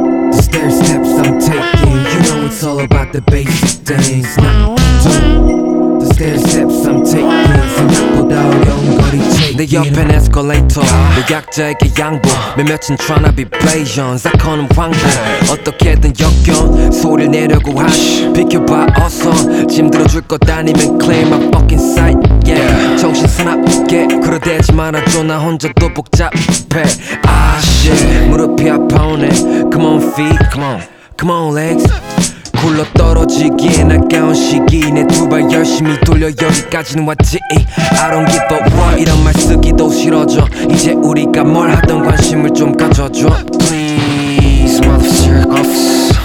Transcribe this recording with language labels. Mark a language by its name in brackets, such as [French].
[English] The stair steps I'm taking, you know it's all about the basic things. The stair steps I'm taking, [Korean] 생각보다 어려운 거리 [English] taking. [Korean] 내 옆엔 escalator, 노약자에게 양보. 몇몇은 [English] tryna be patient, [Korean] 사건은 황보. 어떻게든 엮여 소리를 내려고 하시. 비켜봐 어서 짐 들어줄 것 아니면 [English] claim my fucking sight. Yeah. [Korean] 정신 사납게 그러대지 말아줘. 나 혼자도 복잡해. [English] Ah shit. [Korean] 무릎이 아파오네. [English] Come on feet. Come on. Come on legs. [Korean] 굴러 떨어지기엔 아까운 시기. 내 두 발 열심히 돌려 여기까지는 왔지. [English] I don't give a what. [Korean] 이런 말 쓰기도 싫어져. 이제 우리가 뭘 하던 관심을 좀 가져줘. [English] Please motherfucker off.